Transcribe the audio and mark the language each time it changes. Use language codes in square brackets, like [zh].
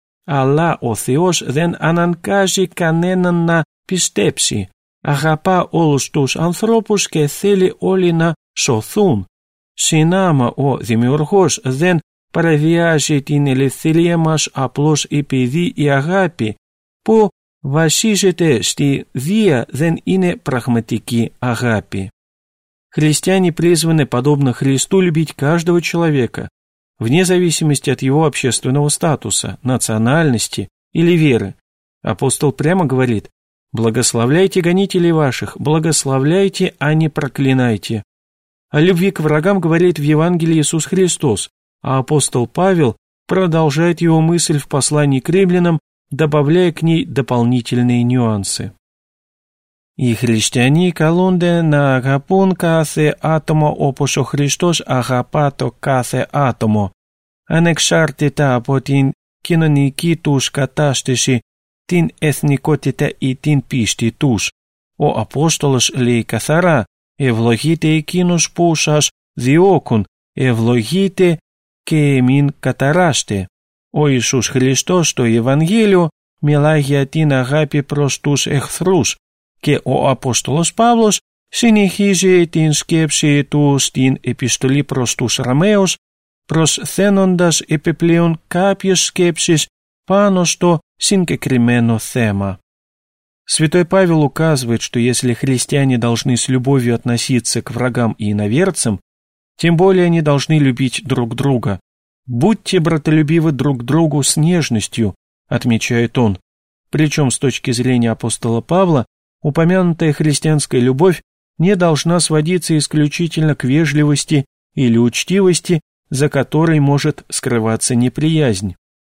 [el] Αλλά ο Θεός δεν αναγκάζει κανέναν να πιστέψει, αγαπά όλους τους ανθρώπους και θέλει όλοι να σωθούν. Συνάμα ο Δημιουργός δεν παραβιάζει την ελευθερία μας απλώς επειδή η αγάπη που βασίζεται στη βία δεν είναι πραγματική αγάπη. [ru] Христиане призваны, подобно Христу, любить каждого человека, вне зависимости от его общественного статуса, национальности или веры. Апостол прямо говорит: «Благословляйте гонителей ваших, благословляйте, а не проклинайте». О любви к врагам говорит в Евангелии Иисус Христос, а апостол Павел продолжает его мысль в послании к римлянам, добавляя к ней дополнительные нюансы. [el] «И христиане калунде на агапун кафе атомо опошо Христос агапато кафе атомо, анекшартита апотин кинонеки туш катастиши, την εθνικότητα ή την πίστη τους. Ο Απόστολος λέει καθαρά «Ευλογείτε εκείνους που σας διώκουν, ευλογείτε και μην καταράστε». Ο Ιησούς Χριστός στο Ευαγγέλιο μιλά για την αγάπη προς τους εχθρούς και ο Απόστολος Παύλος συνεχίζει την σκέψη του στην επιστολή προς τους Ρωμαίους, προσθένοντας επιπλέον κάποιες σκέψεις πάνω στο συγκεκριμένο θέμα. [ru] Святой Павел указывает, что если христиане должны с любовью относиться к врагам и иноверцам, тем более они должны любить друг друга. «Будьте братолюбивы друг к другу с нежностью», отмечает он. Причем, с точки зрения апостола Павла, упомянутая христианская любовь не должна сводиться исключительно к вежливости или учтивости, за которой может скрываться неприязнь.